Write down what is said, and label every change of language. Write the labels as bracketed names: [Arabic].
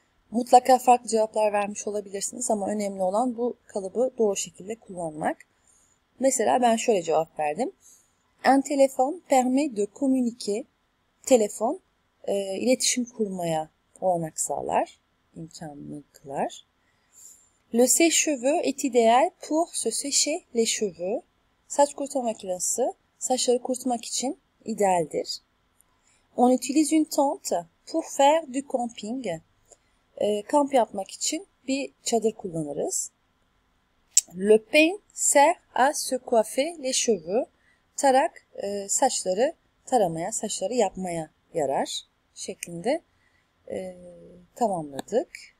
[Turkish] Mutlaka farklı cevaplar vermiş olabilirsiniz ama önemli olan bu kalıbı doğru şekilde kullanmak. Mesela ben şöyle cevap verdim. [French] Un téléphone permet de communiquer. [Turkish] Telefon iletişim kurmaya olanak sağlar, imkanını kılar. [French] Le sèche-cheveux est idéal pour se sécher les cheveux. [Turkish] Saç kurutma makinesi saçları kurutmak için idealdir. [French] On utilise une tente pour faire du camping. [Turkish] Kamp yapmak için bir çadır kullanırız. [French] Le pain sert à se coiffer les cheveux. [Turkish] Tarak saçları taramaya, saçları yapmaya yarar şeklinde tamamladık.